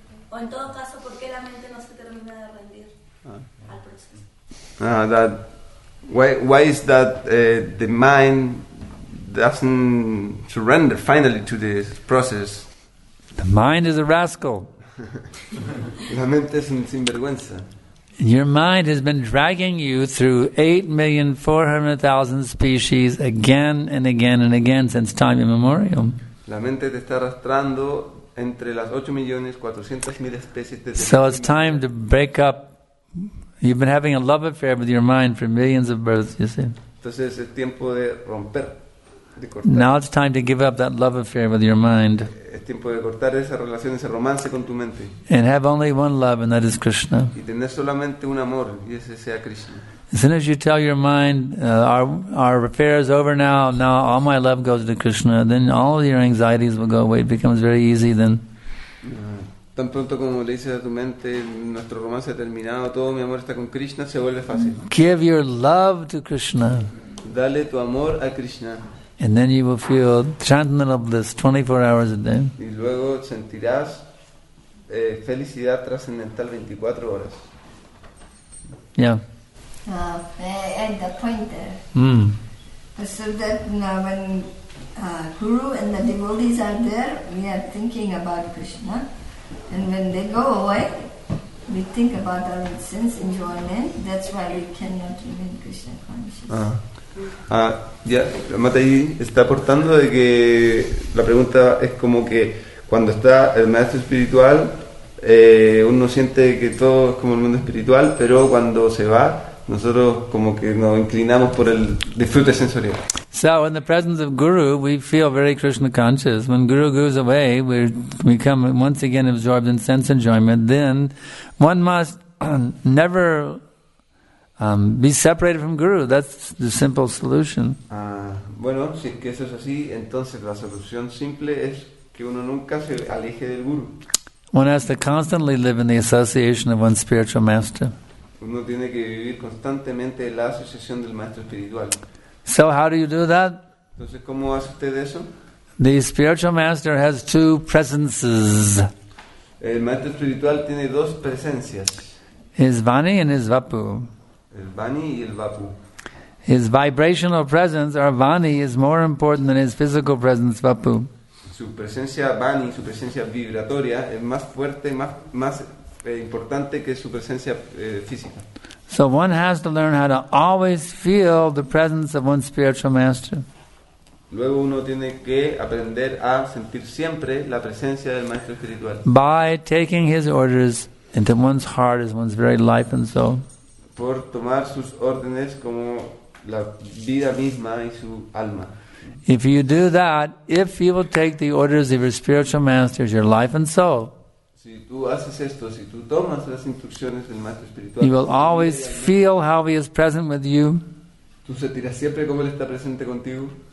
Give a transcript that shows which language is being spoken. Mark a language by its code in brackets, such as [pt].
[es] O en todo caso, ¿por qué la mente no se termina de rendir al proceso? [en] Why is that the mind doesn't surrender finally to this process? The mind is a rascal. [es] La mente es un sinvergüenza. [en] Your mind has been dragging you through 8,400,000 species again and again and again since time immemorial. [es] La mente te está arrastrando entre las 8,400,000 especies desde. [en] So it's time to break up. You've been having a love affair with your mind for millions of births, you see. [es] Entonces es tiempo de romper. [en] Now it's time to give up that love affair with your mind. [es] Es tiempo de cortar esa relación, ese romance con tu mente. [en] And have only one love, and that is Krishna. [es] Y tener solamente un amor, y ese sea Krishna. [en] As soon as you tell your mind, our affair is over now, now all my love goes to Krishna, then all your anxieties will go away. It becomes very easy then. [es] Tan pronto como le dices a tu mente, nuestro romance ha terminado, todo mi amor está con Krishna, se vuelve fácil. [en] Give your love to Krishna. [es] Dale tu amor a Krishna. [en] And then you will feel transcendental bliss 24 hours a day. [es] Y luego sentirás felicidad trascendental 24 horas. [en] Yeah. And the pointer. So that now when Guru and the devotees are there, we are thinking about Krishna. And when they go away, we think about our sense enjoyment. That's why we cannot remain Krishna conscious. [es] Ya, Mataji está aportando de que la pregunta es como que cuando está el maestro espiritual, uno siente que todo es como el mundo espiritual, pero cuando se va, nosotros como que nos inclinamos por el disfrute sensorial. [en] So in the presence of Guru, we feel very Krishna conscious. When Guru goes away, we become once again absorbed in sense enjoyment. Then one must never be separated from Guru. That's the simple solution. [es] Bueno, si es que eso es así, entonces la solución simple es que uno nunca se aleje del Guru. [en] One has to constantly live in the association of one's spiritual master. [es] Uno tiene que vivir constantemente en la asociación del maestro espiritual. [en] So how do you do that? [es] Entonces, ¿cómo hace usted eso? [en] The spiritual master has two presences. [es] El maestro espiritual tiene dos presencias. [en] His Vani and his Vapu. [es] El Vani y el Vapu. [en] His vibrational presence, or Vani, is more important than his physical presence, Vapu. [es] Su presencia Vani, su presencia vibratoria, es más fuerte, más importante que su presencia física. [en] So one has to learn how to always feel the presence of one's spiritual master. [es] Luego uno tiene que aprender a sentir siempre la presencia del maestro espiritual. [en] By taking his orders into one's heart as one's very life and soul. [es] Por tomar sus órdenes como la vida misma y su alma. [en] If you do that, if you will take the orders of your spiritual masters, your life and soul, [es] si tú haces esto, si tú tomas las instrucciones del maestro espiritual, [en] you will always feel how he is present with you, [es] tú sentirás siempre cómo él está presente contigo,